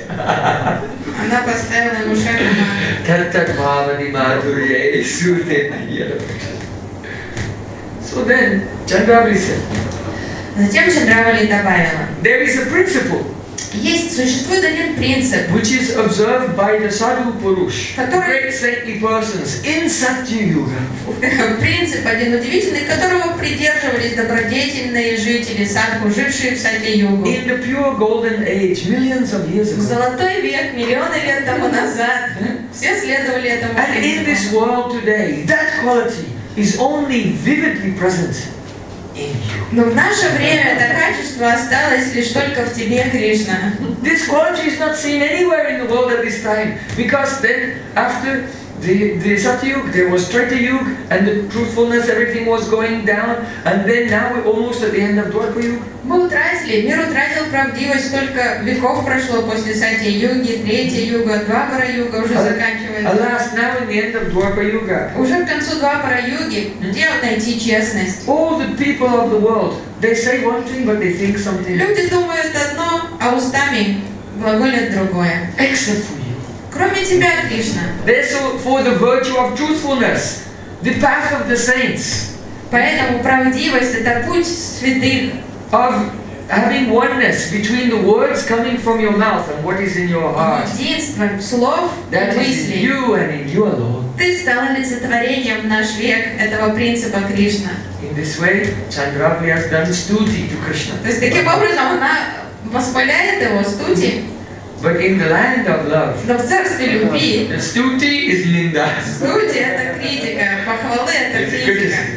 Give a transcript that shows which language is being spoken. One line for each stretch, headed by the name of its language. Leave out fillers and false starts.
Russian: Она поставила ему шаг и мат.
Sanskrit: Таттат бхавани мадурья и суте найя.
English: So then, Chandravali said.
Russian: Затем Чандравали добавила.
English: There is a principle.
Russian: Есть, существует один принцип.
English: Which is observed by the sadhu purush, great saintly persons in satya yuga.
Russian: Принцип один удивительный, которого придерживались добродетельные жители садху, жившие в сатья югу.
English: In the pure golden age, millions of years ago.
Russian: В золотой век, миллионы лет тому назад, все следовали этому принципу.
English: And in this world today, that quality is only vividly present in you.
Russian: Но в наше время это качество осталось лишь только в тебе, Кришна.
English: This quality is not seen anywhere in the world at this time, because then after the Satyug, there was Tretayug, and the truthfulness, everything was going down, and then now we're almost at the end of Dwapayug.
Russian: Мы утратили, мир утратил правдивость, столько веков прошло после Сати-юги, Третья-юга, Двапара-юга уже заканчивается.
English: Alas, now in the end of Dwapara-yuga.
Russian: Уже к концу Двапара-юги, где найти честность?
English: All the people of the world, they say one thing, but they think something.
Russian: Люди думают одно, а устами глаголят другое.
English: Except for you.
Russian: Кроме тебя, Кришна.
English: Therefore, for the virtue of truthfulness, the path of the saints.
Russian: Поэтому правдивость — это путь святых.
English: Of having oneness between the words coming from your mouth and what is in your heart.
Russian: Единство слов и мыслей.
English: You and in you alone.
Russian: Ты стал олицетворением в наш век этого принципа Кришна.
English: In this way, Chandravali has done stuti to Krishna.
Russian: То есть таким образом она восхваляет его стути.
English: But in the land of love.
Russian: Но в царстве любви.
English: Stuti is Linda.
Russian: Стути — это критика, похвалы — это критика.